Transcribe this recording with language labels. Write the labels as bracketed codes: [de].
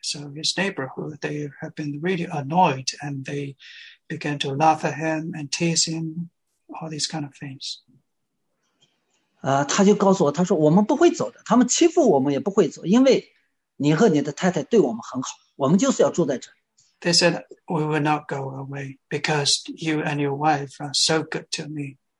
[en] So his neighbor, who they have been really annoyed, and they began to laugh at him and tease him, all these kind of things. [zh] 他就告诉我，他说我们不会走的，他们欺负我们也不会走，因为你和你的太太对我们很好，我们就是要住在这里。 [en] They said we will not go away because you and your wife are so good to me.